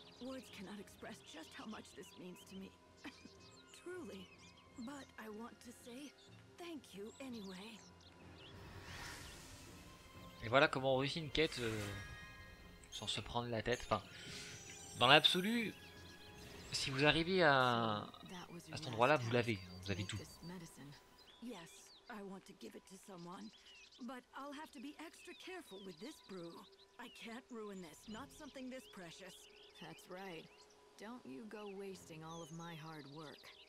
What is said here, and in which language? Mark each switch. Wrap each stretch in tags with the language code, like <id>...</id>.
<en>Words cannot express just how much this means to me. Truly. But I want to say thank you anyway.</en> <fr>Et voilà comment on réussit une quête sans se prendre la tête. Enfin, dans l'absolu, si vous arrivez à cet endroit-là, vous l'avez. Vous avez tout.</fr> <en>Yes, I want to give it to someone, but I'll have to be extra careful with this brew. I can't ruin this, not something this precious. That's right. Don't you go wasting all of my hard work.</en>